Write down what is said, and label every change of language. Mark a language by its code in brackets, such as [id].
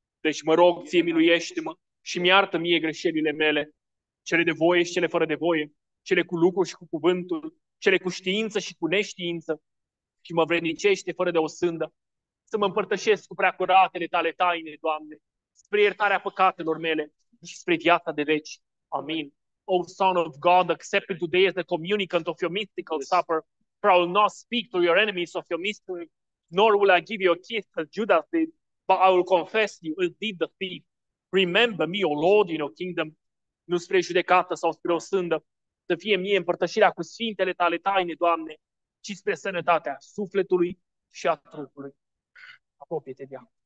[ro] Deci mă rog, ție miluiește-mă și mi-iartă mie greșelile mele, cele de voie și cele fără de voie, cele cu lucru și cu cuvântul, cele cu știință și cu neștiință, și mă vrednicește fără de o sândă să mă împărtășesc cu preacuratele tale taine, Doamne, spre iertarea păcatelor mele și spre viața de veci. Amin. [en] O Son of God, accept me today as the communicant of your mystical supper, for I will not speak to your enemies of your mystery, nor will I give you a kiss as Judas did, but I will confess you as did the thief. Remember me, O Lord, in your kingdom, [ro] nu spre judecată sau spre o sândă, să fie mie împărtășirea cu sfintele tale taine, Doamne, ci spre sănătatea sufletului și a trupului. Apropie-te de